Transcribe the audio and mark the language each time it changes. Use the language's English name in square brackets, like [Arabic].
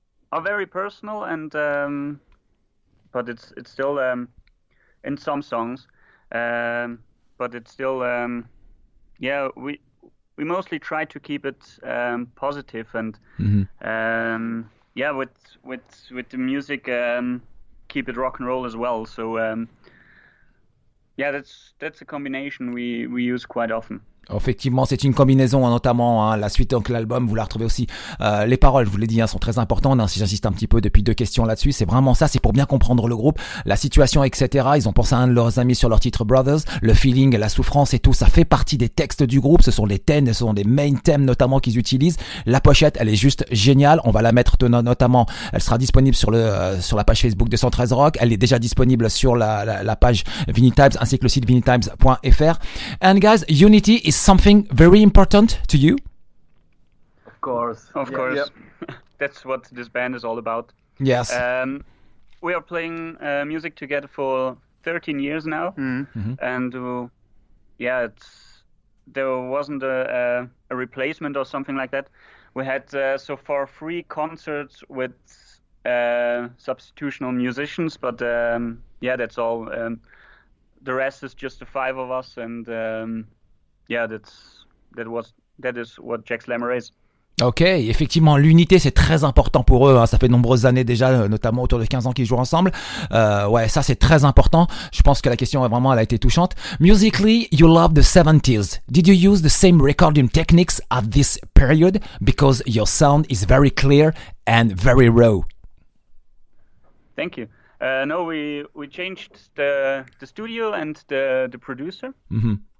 [English] Are very personal and but it's still in some songs but it's still we mostly try to keep it positive and with the music keep it rock and roll as well, so that's a combination we use quite often. [French] Effectivement, c'est une combinaison, notamment hein, la suite de l'album, vous la retrouvez aussi. Les paroles, je vous l'ai dit, hein, sont très importantes, hein, si j'insiste un petit peu depuis deux questions là-dessus. C'est vraiment ça, c'est pour bien comprendre le groupe, la situation, etc. Ils ont pensé à un de leurs amis sur leur titre Brothers, le feeling, la souffrance et tout, ça fait partie des textes du groupe. Ce sont les thèmes, ce sont des main thèmes notamment qu'ils utilisent. La pochette, elle est juste géniale. On va la mettre notamment, elle sera disponible sur la page Facebook de 113 Rock. Elle est déjà disponible sur la page Vinny Times ainsi que le site vinnytimes.fr. [English] And guys, unity is something very important to you? Of course. Yep. That's what this band is all about. Yes. We are playing music together for 13 years now. Mm-hmm. And there wasn't a replacement or something like that. We had so far 3 concerts with substitutional musicians, but that's all. The rest is just the 5 of us and that is what Jack Slammer is. [French] Ok, effectivement, l'unité, c'est très important pour eux. Hein. Ça fait de nombreuses années déjà, notamment autour de 15 ans qu'ils jouent ensemble. Ouais, ça, c'est très important. Je pense que la question, vraiment, elle a été touchante. [English] Musically, you love the 70s. Did you use the same recording techniques at this period? Because your sound is very clear and very raw. Thank you. We changed the studio and the producer. Mm-hmm.